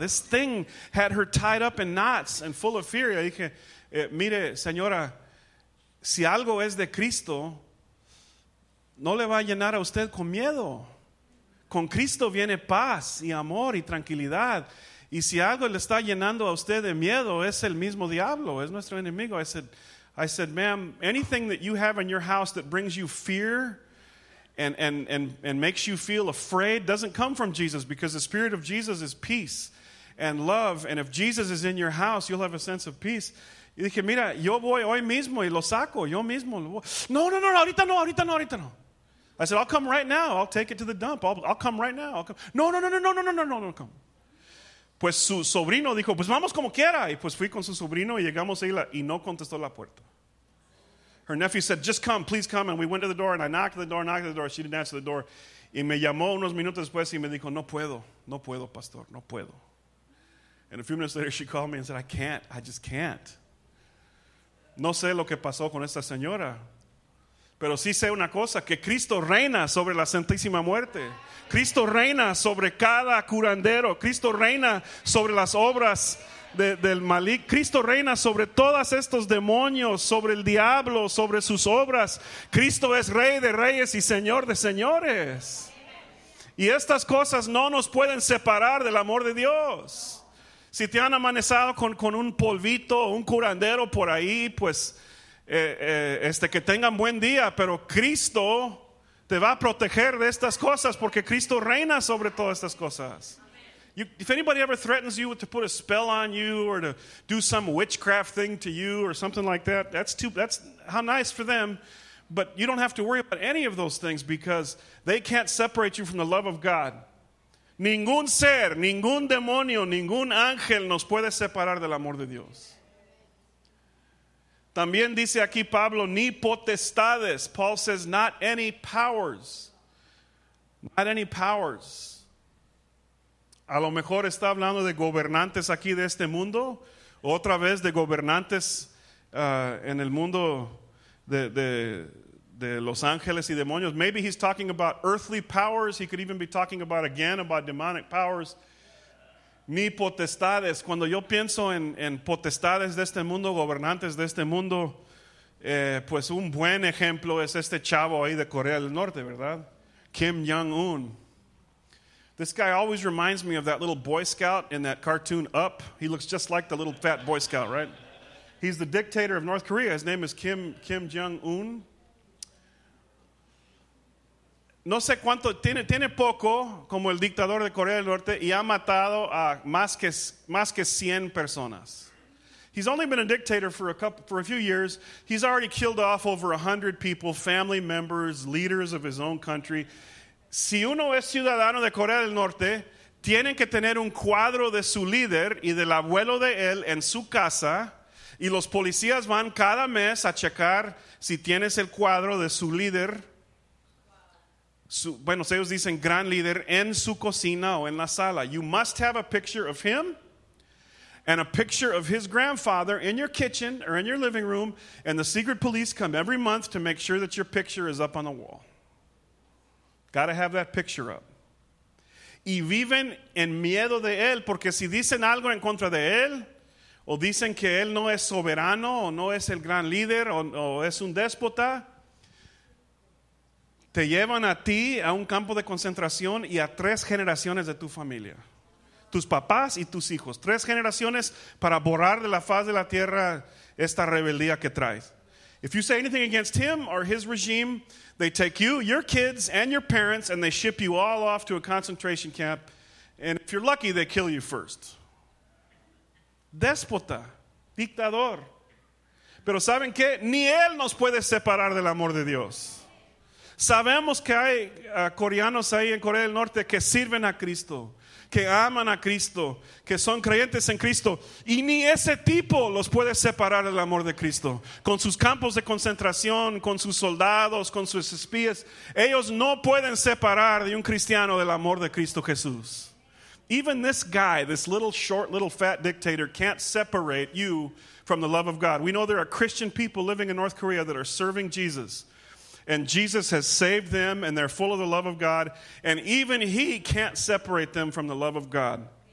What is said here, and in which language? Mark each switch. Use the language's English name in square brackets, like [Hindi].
[English] This thing had her tied up in knots and full of fear. [Spanish] Y dije, mire, señora, si algo es de Cristo, no le va a llenar a usted con miedo. Con Cristo viene paz y amor y tranquilidad. Y si algo le está llenando a usted de miedo, es el mismo diablo, es nuestro enemigo. [English] I said, ma'am, anything that you have in your house that brings you fear and makes you feel afraid doesn't come from Jesus, because the spirit of Jesus is peace and love. And if Jesus is in your house, you'll have a sense of peace. [Spanish] Y dije, mira, yo voy hoy mismo y lo saco, yo mismo. No, ahorita no. [English] I said, I'll come right now. I'll take it to the dump. I'll come right now. I'll come. No, come. [Spanish] Pues su sobrino dijo, pues vamos como quiera. Y pues fui con su sobrino y llegamos ahí y no contestó la puerta. [English] Her nephew said, just come, please come. And we went to the door and I knocked at the door. She didn't answer the door. [Spanish] Y me llamó unos minutos después y me dijo, no puedo, pastor, no puedo. [English] And a few minutes later she called me and said, I can't, I just can't. [Spanish] No sé lo que pasó con esta señora. Pero sí sé una cosa, que Cristo reina sobre la Santísima Muerte. Cristo reina sobre cada curandero. Cristo reina sobre las obras del maligno. Cristo reina sobre todos estos demonios, sobre el diablo, sobre sus obras. Cristo es Rey de Reyes y Señor de Señores. Y estas cosas no nos pueden separar del amor de Dios. Si te han amanecido con un polvito o un curandero por ahí, pues que tengan buen día, pero Cristo te va a proteger de estas cosas porque Cristo reina sobre todas estas cosas. [English] You, if anybody ever threatens you to put a spell on you or to do some witchcraft thing to you or something like that, that's how nice for them. But you don't have to worry about any of those things because they can't separate you from the love of God. [Spanish] Ningún ser, ningún demonio, ningún ángel nos puede separar del amor de Dios. También dice aquí Pablo, ni potestades. [English] Paul says, not any powers. Not any powers. [Spanish] A lo mejor está hablando de gobernantes aquí de este mundo. Otra vez de gobernantes en el mundo de los ángeles y demonios. [English] Maybe he's talking about earthly powers. He could even be talking about, again, about demonic powers. [Spanish] Ni potestades. Cuando yo pienso en potestades de este mundo, gobernantes de este mundo, pues un buen ejemplo es este chavo ahí de Corea del Norte, ¿verdad? Kim Jong-un. [English] This guy always reminds me of that little Boy Scout in that cartoon Up. He looks just like the little fat Boy Scout, right? He's the dictator of North Korea. His name is Kim Jong-un. [Spanish] No sé cuánto, tiene poco como el dictador de Corea del Norte y ha matado a más que 100 personas. [English] He's only been a dictator for a few years. He's already killed off over 100 people, family members, leaders of his own country. [Spanish] Si uno es ciudadano de Corea del Norte, tienen que tener un cuadro de su líder y del abuelo de él en su casa. Y los policías van cada mes a checar si tienes el cuadro de su líder. Bueno, ellos dicen gran líder en su cocina o en la sala. [English] You must have a picture of him and a picture of his grandfather in your kitchen or in your living room, and the secret police come every month to make sure that your picture is up on the wall. Got to have that picture up. [Spanish] Y viven en miedo de él, porque si dicen algo en contra de él, o dicen que él no es soberano, o no es el gran líder, o es un déspota, te llevan a ti a un campo de concentración y a tres generaciones de tu familia. Tus papás y tus hijos. Tres generaciones para borrar de la faz de la tierra esta rebeldía que traes. [English] If you say anything against him or his regime, they take you, your kids, and your parents, and they ship you all off to a concentration camp. And if you're lucky, they kill you first. [Spanish] Déspota, dictador. Pero ¿saben qué? Ni Él nos puede separar del amor de Dios. Sabemos que hay coreanos ahí en Corea del Norte que sirven a Cristo, que aman a Cristo, que son creyentes en Cristo, y ni ese tipo los puede separar del amor de Cristo. Con sus campos de concentración, con sus soldados, con sus espías, ellos no pueden separar de un cristiano del amor de Cristo Jesús. [English] Even this guy, this little short, little fat dictator, can't separate you from the love of God. We know there are Christian people living in North Korea that are serving Jesus, and Jesus has saved them, and they're full of the love of God, and even he can't separate them from the love of God.